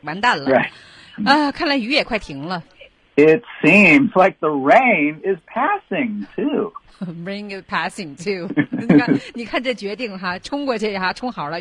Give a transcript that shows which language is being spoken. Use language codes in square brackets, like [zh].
[zh] 完蛋了、看来雨也快停了。 [en] It seems like the rain is passing too. Rain is passing too. [zh] 你看这决定哈，冲过去哈，冲好了。